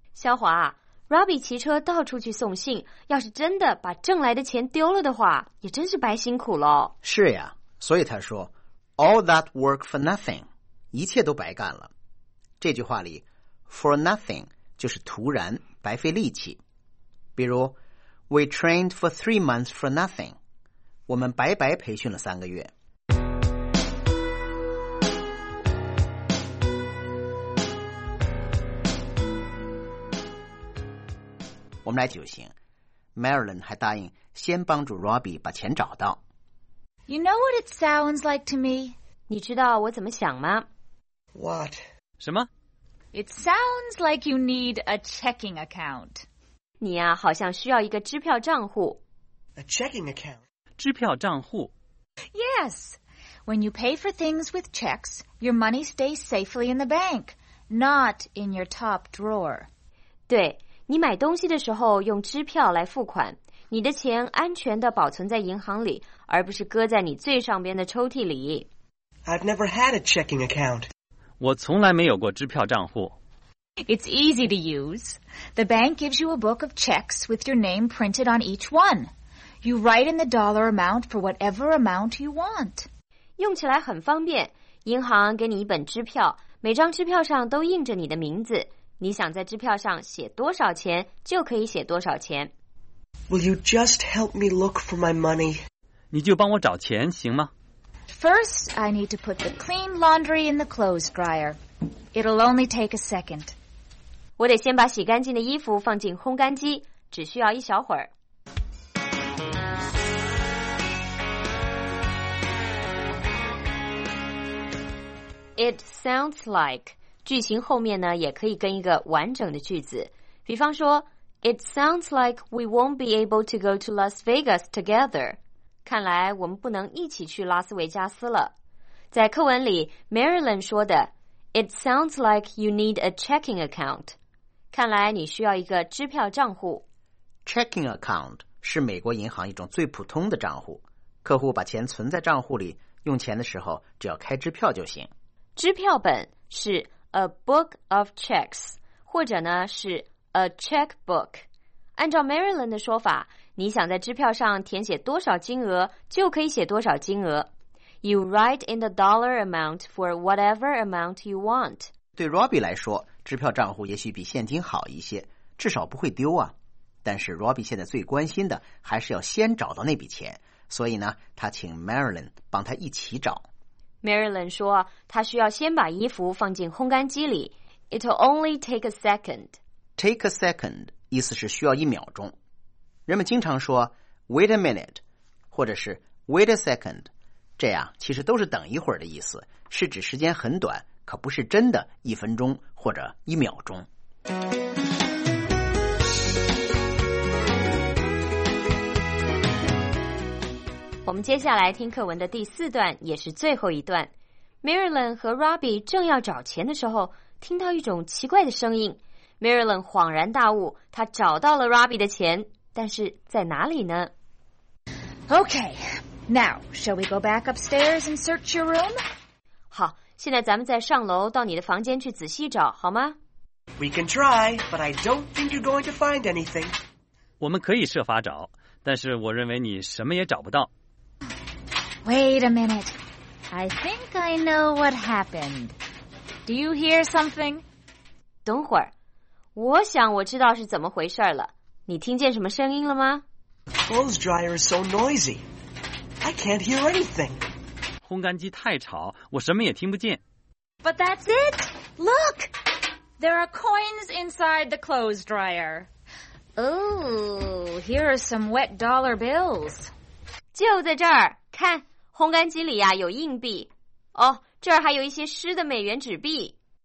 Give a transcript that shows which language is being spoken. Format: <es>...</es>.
<zh>肖华， Robbie 骑车到处去送信，要是真的把挣来的钱丢了的话，也真是白辛苦了。是呀，所以他说</zh> <en>All that work for nothing,</en> <zh>一切都白干了。这句话里 ,for nothing 就是徒然白费力气。比如 ,</zh> <en>we trained for 3 months for nothing,</en> <zh>我们白白培训了3个月。我们来举行。 Marilyn 还答应先帮助 Robbie 把钱找到。</zh> <en>You know what it sounds like to me?</en> <zh>你知道我怎么想吗？</zh> <en>What?</en> <zh>什么？</zh> <en>It sounds like you need a checking account.</en> <zh>你啊，好像需要一个支票账户。</zh> <en>A checking account?</en> <zh>支票账户。</zh> <en>Yes. When you pay for things with checks, your money stays safely in the bank, not in your top drawer.</en> <zh>对，你买东西的时候用支票来付款，你的钱安全地保存在银行里，而不是搁在你最上边的抽屉里。</zh> <en>I've never had a checking account.</en> <zh>我从来没有过支票账户。</zh> <en>It's easy to use. The bank gives you a book of checks with your name printed on each one. You write in the dollar amount for whatever amount you want.</en> <zh>用起来很方便，银行给你一本支票，每张支票上都印着你的名字，你想在支票上写多少钱就可以写多少钱。</zh> <en>Will you just help me look for my money?</en> <zh>你就帮我找钱行吗？</zh> <en>First, I need to put the clean laundry in the clothes dryer. It'll only take a second.</en> <zh>我得先把洗干净的衣服放进烘干机，只需要一小会儿。</zh> <en>It sounds like</en> <zh>句型后面呢，也可以跟一个完整的句子，比方说</zh> <en>It sounds like we won't be able to go to Las Vegas together.</en> <zh>看来我们不能一起去拉斯维加斯了。在课文里 ,Marilyn 说的 ,</zh> <en>It sounds like you need a checking account.</en> <zh>看来你需要一个支票账户。 Checking account 是美国银行一种最普通的账户。客户把钱存在账户里，用钱的时候只要开支票就行。支票本是</zh> <en>a book of checks,</en> <zh>或者呢是 a checkbook。按照 Marilyn 的说法，你想在支票上填写多少金额就可以写多少金额。</zh> <en>You write in the dollar amount for whatever amount you want.</en> <zh>对 Robbie 来说，支票账户也许比现金好一些，至少不会丢啊。但是 Robbie 现在最关心的还是要先找到那笔钱，所以呢，他请 Marilyn 帮他一起找。 Marilyn 说，他需要先把衣服放进烘干机里。</zh> <en>It'll only take a second.</en> <zh>Take a second 意思是需要一秒钟。人们经常说</zh> <en>wait a minute,</en> <zh>或者是</zh> <en>wait a second。</en> <zh>这样其实都是等一会儿的意思，是指时间很短，可不是真的一分钟或者一秒钟。我们接下来听课文的第四段，也是最后一段。 Marilyn 和 Robbie 正要找钱的时候，听到一种奇怪的声音。 Marilyn 恍然大悟，她找到了 Robbie 的钱，但是在哪里呢？</zh> <en>OKNow, shall we go back upstairs and search your room?</en> <zh>好，现在咱们再上楼到你的房间去仔细找，好吗？</zh> <en>We can try, but I don't think you're going to find anything.</en> <zh>我们可以设法找，但是我认为你什么也找不到。</zh> <en>Wait a minute. I think I know what happened. Do you hear something?</en> <zh>等会儿，我想我知道是怎么回事了。你听见什么声音了吗？</zh> <en>Clothes dryer is so noisy. I can't hear anything.</en> <zh>烘干机太吵，我什么也听不见。</zh> <en>But that's it. Look, there are coins inside the clothes dryer. Oh, here are some wet dollar bills.</en> <zh>就在这儿，看，烘干机里呀有硬币。哦，这儿还有一些湿的美元纸币。</zh>